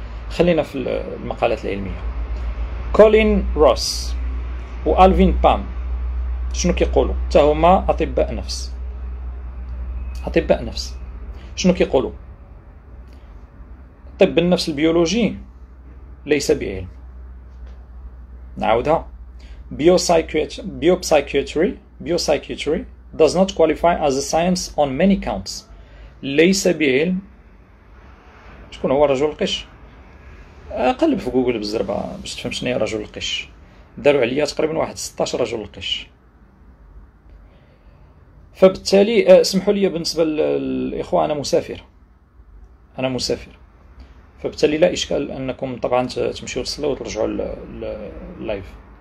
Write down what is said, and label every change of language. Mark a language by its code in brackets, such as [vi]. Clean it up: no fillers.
[ar] خلينا في المقالات العلمية. كولين روس وألفين بام شنو كيقولوا؟ حتى هما أطباء نفس، أطباء نفس شنو كيقولوا؟ طب النفس البيولوجي ليس بعلم. نعاودها، [en] Biopsychiatry does not qualify as a science on many counts. [ar] ليس بعلم. شكون هو رجل القش؟ قلب في جوجل بالزربه باش تفهم شنو هي رجل القش. داروا عليا تقريبا واحد 16 رجل القش. فبالتالي اسمحوا لي، بالنسبه للاخوه انا مسافر، فبالتالي لا اشكال انكم طبعا تمشيو تصلوا وترجعوا اللايف.